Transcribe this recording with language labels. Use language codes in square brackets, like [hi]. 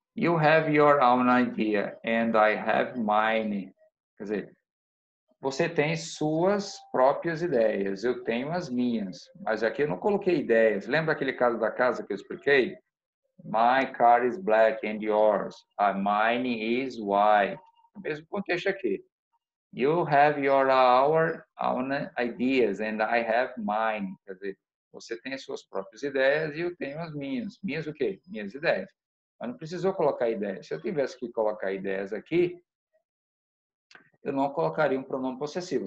[en] You have your own idea and I have mine. [pt] Quer dizer, você tem suas próprias ideias, eu tenho as minhas. Mas aqui eu não coloquei ideias. Lembra aquele caso da casa que eu expliquei? [en] My car is black and yours. Mine is white. [pt] Mesmo contexto aqui. [en] You have your own ideas and I have mine. [pt] Quer dizer, você tem as suas próprias ideias e eu tenho as minhas. Minhas o quê? Minhas ideias. Mas não precisou colocar ideias. Se eu tivesse que colocar ideias aqui, eu não colocaria um pronome possessivo.